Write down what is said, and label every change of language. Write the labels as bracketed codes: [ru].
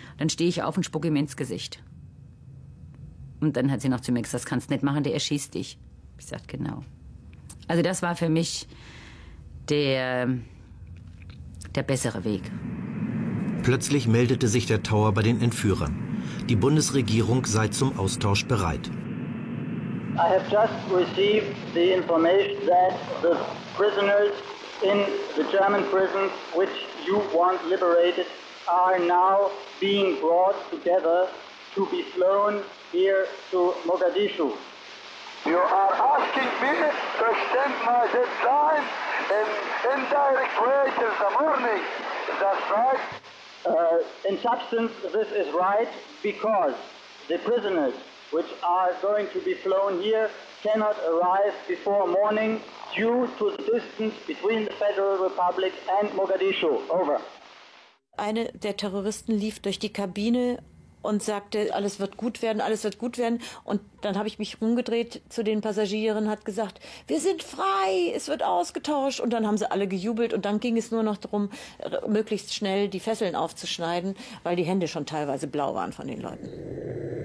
[de] Dann stehe ich auf und spucke ihm ins Gesicht. Und dann hat sie noch zu mir gesagt, das kannst du nicht machen, der erschießt dich. Ich sagte, genau. Also das war für mich der bessere Weg. Plötzlich meldete sich der Tower bei den Entführern. Die Bundesregierung sei zum Austausch bereit. [en] I have just received the information that the prisoners in the German prisons, which you want liberated, are now being brought together to be flown here to Mogadischu. You are asking me to extend my deadline in indirect way till the morning. Is that right? In substance, this is right because the prisoners which are going to be flown here cannot arrive before morning due to the distance between the Federal Republic and Mogadischu. Over. [de] Eine der Terroristen lief durch die Kabine und sagte, alles wird gut werden, alles wird gut werden. Und dann habe ich mich rumgedreht zu den Passagieren, hat gesagt, wir sind frei, es wird ausgetauscht. Und dann haben sie alle gejubelt und dann ging es nur noch darum, möglichst schnell die Fesseln aufzuschneiden, weil die Hände schon teilweise blau waren von den Leuten.